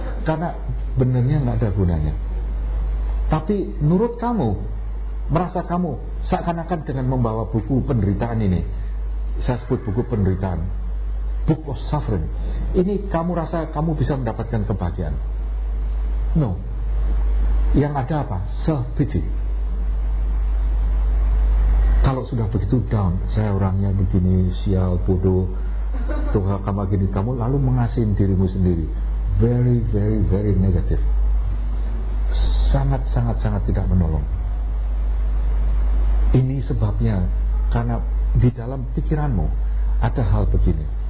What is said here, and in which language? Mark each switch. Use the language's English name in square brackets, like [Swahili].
[Indonesian] Karena benernya nggak ada gunanya. Tapi menurut kamu, merasa kamu seakan-akan dengan membawa buku penderitaan ini, saya sebut buku penderitaan, [English] Book of Suffering, [Indonesian] ini kamu rasa kamu bisa mendapatkan kebahagiaan? No. Yang ada apa? Self-pity. Kalau sudah begitu down, saya orangnya begini, sial, bodoh, Tuhan kamu begini, kamu lalu mengasihi dirimu sendiri. [English] Very, very, very negative. [Indonesian] Sangat, sangat, sangat tidak menolong. Ini sebabnya karena di dalam pikiranmu ada hal begini.